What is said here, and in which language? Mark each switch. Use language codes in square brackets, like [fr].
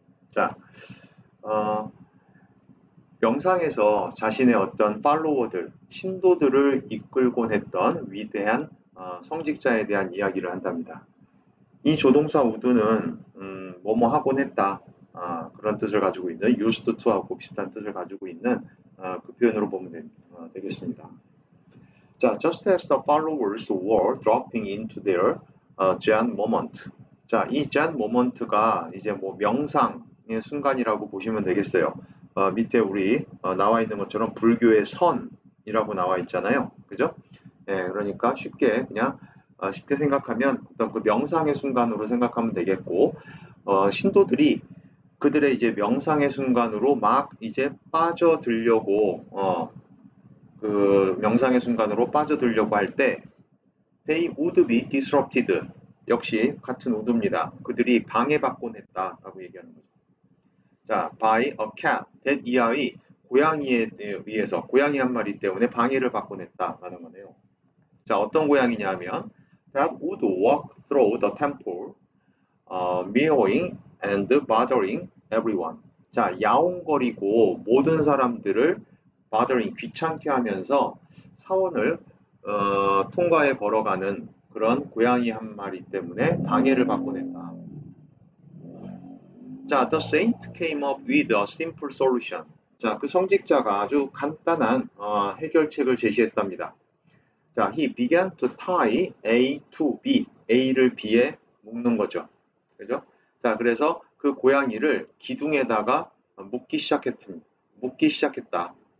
[ko] 자, 명상에서 자신의 어떤 팔로워들, 신도들을 이끌곤 했던 위대한 성직자에 대한 이야기를 한답니다. 이 조동사 우드는 뭐뭐 하곤 했다. 그런 뜻을 가지고 있는 used to 하고 비슷한 뜻을 가지고 있는 그 표현으로 보면 되겠습니다. [en] 자, just as the followers were dropping into their Zen moment. [ko] 자, 이 Zen moment가 이제 뭐 명상의 순간이라고 보시면 되겠어요. 밑에 우리 나와 있는 것처럼 불교의 선이라고 나와 있잖아요. 그죠? 예, 그러니까 쉽게 생각하면 어떤 그 명상의 순간으로 생각하면 되겠고, 신도들이 그들의 이제 명상의 순간으로 막 이제 빠져들려고, 그 명상의 순간으로 빠져들려고 할 때, [en] they would be disrupted. [ko] 역시 같은 우드입니다. 그들이 방해받곤 했다라고 얘기하는 거죠. 자, [en] by a cat, that [ko] 이하의 고양이에 의해서, 고양이 한 마리 때문에 방해를 받곤 했다라는 거네요. [en] 자, 어떤 고양이냐면, that would walk through the temple, meowing and bothering everyone. [ko] 자, 야옹거리고 모든 사람들을 bothering, 귀찮게 하면서 사원을 통과해 걸어가는 그런 고양이 한 마리 때문에 방해를 받곤 했다. [en] 자, the saint came up with a simple solution. [ko] 자, 그 성직자가 아주 간단한 해결책을 제시했답니다. 자, [en] he began to tie A to B. [ko] A를 B에 묶는 거죠. 그죠? 자, 그래서 그 고양이를 기둥에다가 묶기 시작했다.